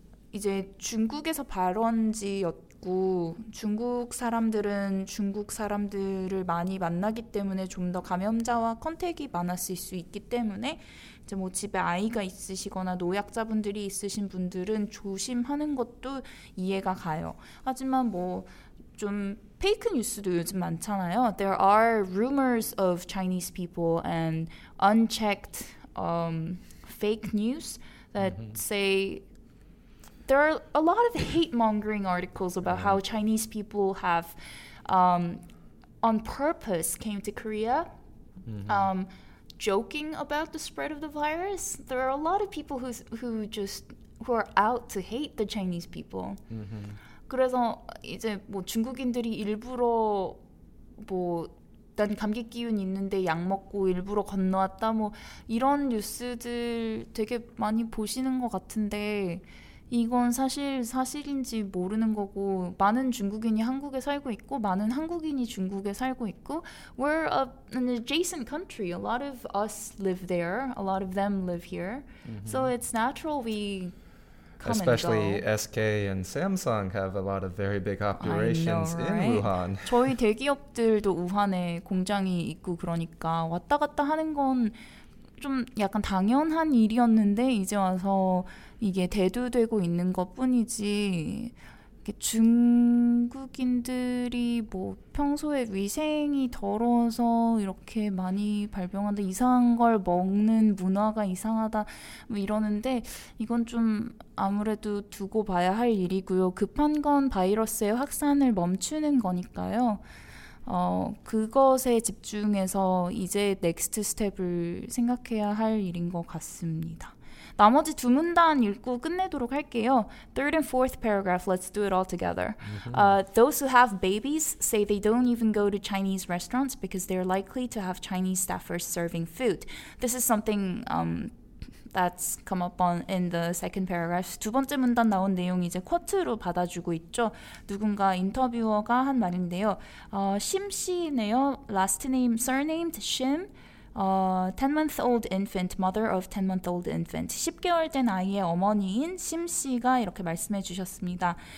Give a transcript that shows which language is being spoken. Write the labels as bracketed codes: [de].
[ko] 이제 중국에서 발원지였고 중국 사람들은 중국 사람들을 많이 만나기 때문에 좀 더 감염자와 컨택이 많았을 수 있기 때문에 이제 뭐 집에 아이가 있으시거나 노약자분들이 있으신 분들은 조심하는 것도 이해가 가요. 하지만 뭐 좀 페이크 뉴스도 요즘 많잖아요. [en] There are rumors of Chinese people and unchecked fake news that mm-hmm. say there are a lot of hate-mongering articles about mm-hmm. how Chinese people have on purpose came to Korea mm-hmm. Joking about the spread of the virus. There are a lot of people who are out to hate the Chinese people. Mm-hmm. [ko] 그래서 이제 뭐 중국인들이 일부러 뭐 난 감기 기운 있는데 약 먹고 일부러 건너왔다 뭐 이런 뉴스들 되게 많이 보시는 것 같은데 이건 사실 사실인지 모르는 거고 많은 중국인이 한국에 살고 있고 많은 한국인이 중국에 살고 있고 [en] We're an adjacent country. A lot of us live there. A lot of them live here. Mm-hmm. So it's natural we... Come Especially and SK and Samsung have a lot of very big operations I know, in Wuhan. [ko] 저희 대기업들도 우한에 공장이 있고 그러니까 왔다 갔다 하는 건 좀 약간 당연한 일이었는데 이제 와서 이게 대두되고 있는 것뿐이지 중국인들이 뭐 평소에 위생이 더러워서 이렇게 많이 발병한다 이상한 걸 먹는 문화가 이상하다 뭐 이러는데 이건 좀 아무래도 두고 봐야 할 일이고요 급한 건 바이러스의 확산을 멈추는 거니까요 그것에 집중해서 이제 넥스트 스텝을 생각해야 할 일인 것 같습니다 나머지 두 문단 읽고 끝내도록 할게요. [en] Third and fourth paragraph, let's do it all together. Those who have babies say they don't even go to Chinese restaurants because they're likely to have Chinese staffers serving food. This is something that's come up on in the second paragraph. [ko] 두 번째 문단 나온 내용이 이제 쿼트로 받아주고 있죠. 누군가 인터뷰어가 한 말인데요. 심 씨네요. [en] Last name, surnamed Shim. 10-month-old infant, mother of 10-month-old infant. [ko] 10개월 된 아이의 어머니인 심 씨가 이렇게 말씀해 주셨습니다.